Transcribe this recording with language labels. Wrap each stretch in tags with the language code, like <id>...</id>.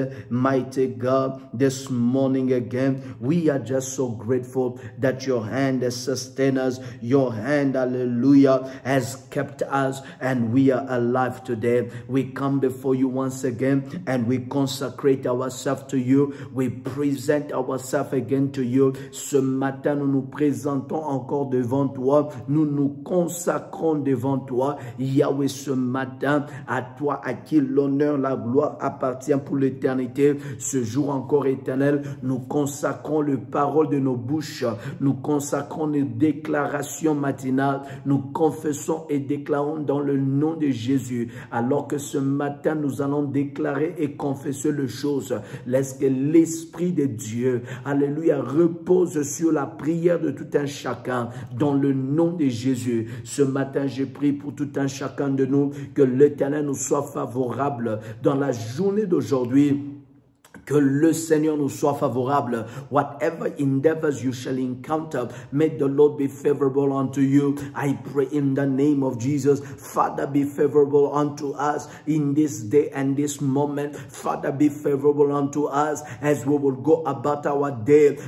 <en>Mighty God, this morning again, we are just so grateful that your hand has sustained us. Your hand, hallelujah, has kept us and we are alive today. We come before you once again and we consecrate ourselves to you. We present ourselves again to you.</en> <fr>Ce matin, nous nous présentons encore devant toi. Nous nous consacrons devant toi. Yahweh, ce matin, à toi, à qui l'honneur, la gloire appartient pour l'éternité. Ce jour encore éternel, nous consacrons les paroles de nos bouches. Nous consacrons les déclarations matinales. Nous confessons et déclarons dans le nom de Jésus. Alors que ce matin, nous allons déclarer et confesser les choses. Laisse que l'Esprit de Dieu, alléluia, repose sur la prière de tout un chacun dans le nom de Jésus. Ce matin, je prie pour tout un chacun de nous que l'Éternel nous soit favorable dans la journée d'aujourd'hui. Que le Seigneur nous soit favorable.</fr> <en>Whatever endeavors you shall encounter, may the Lord be favorable unto you. I pray in the name of Jesus. Father, be favorable unto us in this day and this moment. Father, be favorable unto us as we will go about our day.</en>